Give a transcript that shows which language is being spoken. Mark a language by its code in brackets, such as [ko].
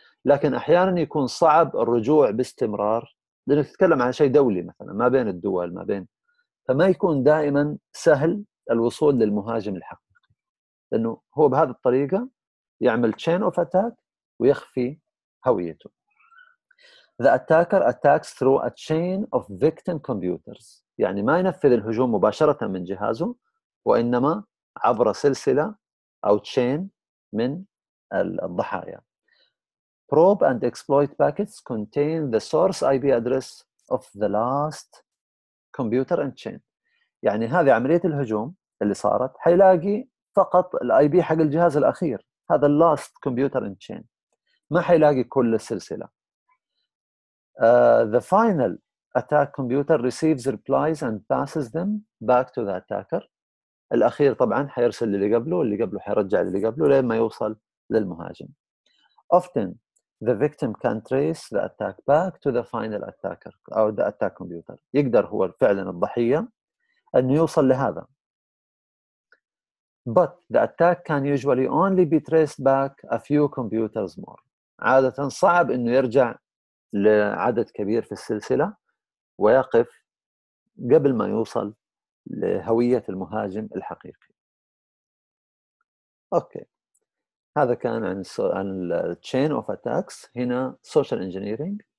[ar] لكن أحيانا يكون صعب الرجوع باستمرار، لأنه تتكلم عن شيء دولي مثلا ما بين الدول ما بين، فما يكون دائما سهل الوصول للمهاجم الحقيقي، لأنه هو بهذه الطريقة يعمل chain of attack ويخفي هويته. [en] The attacker attacks through a chain of victim computers. [ar] يعني ما ينفذ الهجوم مباشرة من جهازه وإنما عبر سلسلة أو chain من الضحايا. [en] Probe and exploit packets contain the source IP address of the last computer and chain. [ar] يعني هذه عملية الهجوم اللي صارت حيلاقي فقط الاي بي حق الجهاز الأخير، هذا [en] last computer in chain، [ar] ما حيلاقي كل السلسلة. [en] The final attack computer receives replies and passes them back to the attacker. [ar] الأخير طبعا حيرسل للي قبله، اللي قبله حيرجع للي قبله لين ما يوصل للمهاجم. [en] Often the victim can trace the attack back to the final attacker أو the attack computer. [ar] يقدر هو فعلا الضحية أن يوصل لهذا. [en] But the attack can usually only be traced back a few computers more. [ar] عادة صعب إنه يرجع لعدد كبير في السلسلة ويقف قبل ما يوصل لهوية المهاجم الحقيقي. أوكي. هذا كان عن chain of attacks. هنا social engineering.